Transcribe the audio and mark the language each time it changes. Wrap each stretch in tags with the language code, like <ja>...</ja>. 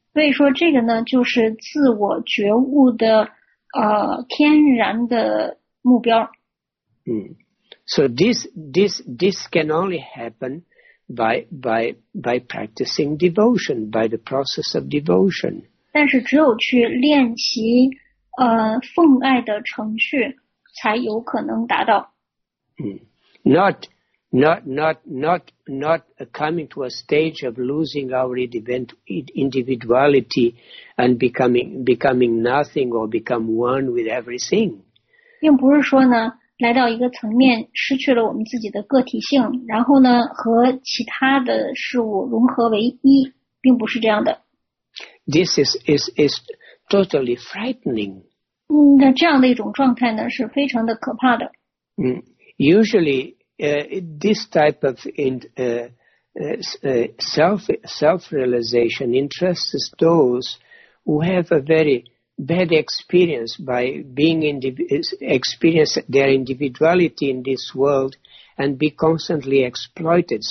<zh>所以说这个呢，就是自我觉悟的天然的目标。</zh> <en>So this can only happen by practicing devotion, by the process of devotion.</en> <zh>但是只有去练习奉爱的程序。才有可能达到。</zh> <en>Not coming to a stage of losing our individuality and becoming nothing or become one with everything.</en> <zh>并不是说呢，来到一个层面失去了我们自己的个体性，然后呢和其他的事物融合为一，并不是这样的。</zh> <en>This is totally frightening.</en> <zh>那这样的一种状态呢，是非常的可怕的。</zh> <en>Usually, this type of self-realization interests those who have a very bad experience by being experience their individuality in this world and be constantly exploited.</en>